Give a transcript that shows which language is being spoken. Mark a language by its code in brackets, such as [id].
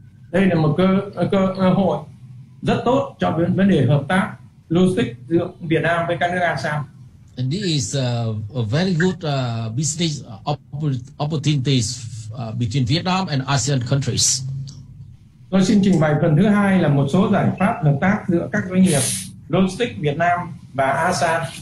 [vi] Đây là một cơ hội rất tốt cho vấn đề hợp tác logistics giữa Việt Nam với các nước ASEAN. [en] And this is a very good business opportunities between Vietnam and ASEAN countries. [vi] Tôi xin trình bày phần thứ hai là một số giải pháp hợp tác giữa các doanh nghiệp logistics Việt Nam và ASEAN.